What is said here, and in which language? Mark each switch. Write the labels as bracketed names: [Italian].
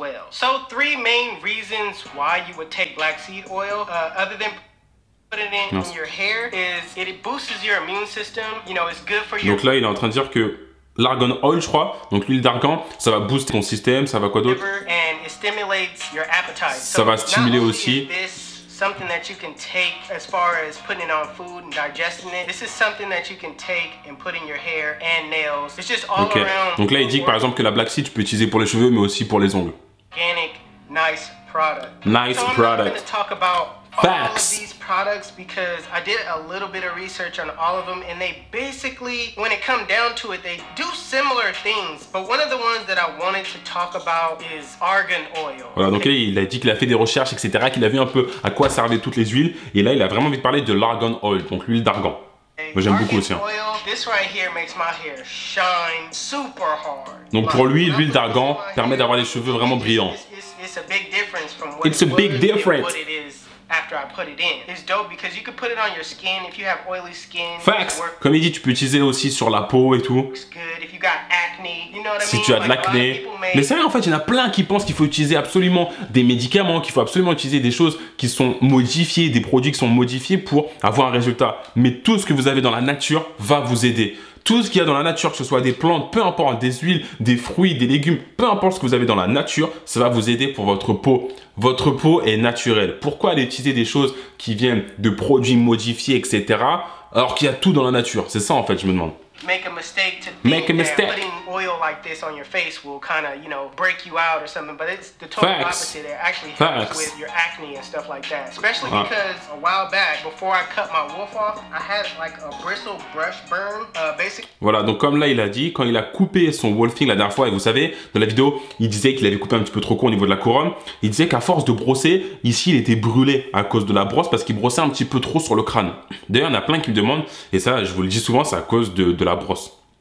[English] So, three main reasons why you would take black seed oil, other than putting it in your hair, is it boosts your immune system. You know, it's good for your. [French] Donc là, il est en train de dire que l'argan oil, je crois, donc l'huile d'argan, ça va booster ton système, ça va quoi d'autre? [English] And it stimulates your appetite. [French] Ça va stimuler aussi. [English] Something that you can take as far as putting it on food and digesting it. This is something that you can take and put in your hair and nails. It's just all around. [French] Donc là, il dit que, par exemple que la black seed tu peux utiliser pour les cheveux mais aussi pour les ongles. [English] Organic, nice product. Nice so product. I'm gonna talk about facts. All of these products because I did a little bit of research on all of them and they basically, when it comes down to it, they do similar things. But one of the ones that I wanted to talk about is argan oil. [French] Voilà, donc là, il a dit qu'il a fait des recherches, etc., qu'il a vu un peu à quoi servaient toutes les huiles. Et là, il a vraiment envie de parler de l'argan oil, donc l'huile d'argan. Moi, j'aime beaucoup aussi. [English] This right here makes my hair shine super hard. [French] Donc pour lui, l'huile d'argan permet d'avoir les cheveux vraiment brillants. [English] It's a big difference from what it's a big difference. After I put it in, it's dope because you can put it on your skin if you have oily skin. Facts. [French] Comme il dit, tu peux utiliser aussi sur la peau et tout. [English] Looks good if you got acne. You know what I [French] si [English] mean? [French] Tu as de l'acné. Mais c'est vrai, en fait, il y en a plein qui pensent qu'il faut utiliser absolument des médicaments, qu'il faut absolument utiliser des choses qui sont modifiées, des produits qui sont modifiés pour avoir un résultat. Mais tout ce que vous avez dans la nature va vous aider. Tout ce qu'il y a dans la nature, que ce soit des plantes, peu importe, des huiles, des fruits, des légumes, peu importe ce que vous avez dans la nature, ça va vous aider pour votre peau. Votre peau est naturelle. Pourquoi aller utiliser des choses qui viennent de produits modifiés, etc., alors qu'il y a tout dans la nature? C'est ça, en fait, je me demande. [English] Make a mistake to think that putting oil like this on your face will kind of, you know, break you out or something. But it's the total opposite. It actually helps with your acne and stuff like that. Especially because a while back, before I cut my wolf off, I had like a bristle brush burn. [French] Voilà, donc comme là il a dit, quand il a coupé son wolfing la dernière fois, et vous savez, dans la vidéo, il disait qu'il avait coupé un petit peu trop court au niveau de la couronne. Il disait qu'à force de brosser, ici il était brûlé à cause de la brosse parce qu'il brossait un petit peu trop sur le crâne. D'ailleurs, il y en a plein qui me demandent, et ça je vous le dis souvent, c'est à cause de la brosse.